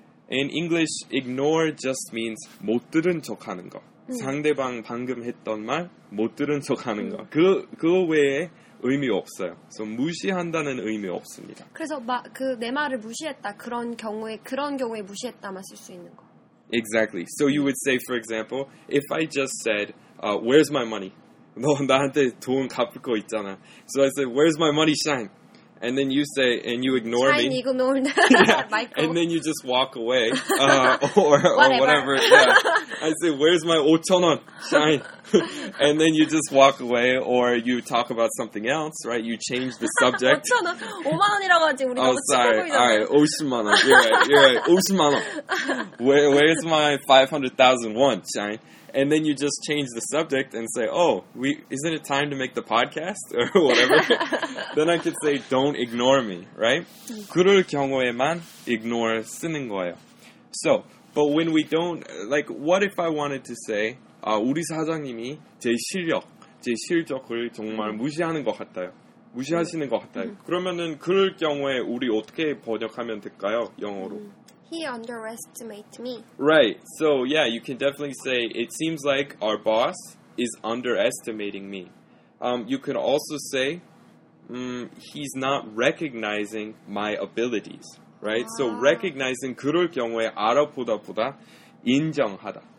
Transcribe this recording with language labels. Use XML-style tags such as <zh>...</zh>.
<en>In English, ignore just means</en> <ko>못 들은 척하는 거. 상대방 방금 했던 말 못 들은 척하는 거. 그 외에 의미 없어요. 그래서 무시한다는 의미 없습니다. 그래서 그 내 말을 무시했다 그런 경우에 무시했다만 쓸 수 있는 거.</ko> <en>Exactly. So you would say, for example, if I just said, "Where's my money?"</en> <ko>너 나한테 돈 갚을 거 있잖아.</ko> <en>So I said, "Where's my money, Shine?" And then you say, and you ignore Shine me. Shine ignored. Michael. And then you just walk away, or whatever. Yeah. I say, "Where's my 5,000원, Shine?" And then you just walk away, or you talk about something else, right? You change the subject.</en> <ko>5,000원, 5만원이라고 하지. 우리 너무 치고 있잖아.</ko> <en>Oh, sorry. All right, 50만원. You're right. Where's my 500,000원, Shine? And then you just change the subject and say, "Oh, isn't it time to make the podcast?" or whatever. Then I could say, "Don't ignore me," right?</en> <ko>그럴 경우에만 ignore 쓰는 거예요.</ko> <en>So, but when we don't, like, what if I wanted to say,</en> <ko>우리 사장님이 제 실적을 정말 무시하는 것 같아요. 무시하시는 것 같아요. 그러면은 그럴 경우에 우리 어떻게 번역하면 될까요? 영어로.</ko> <en>He underestimates me. Right. So, yeah, you can definitely say, "It seems like our boss is underestimating me." You could also say, "He's not recognizing my abilities." Right? Wow. So, recognizing</en> <ko>그럴 경우에 알아보다 인정하다.</ko>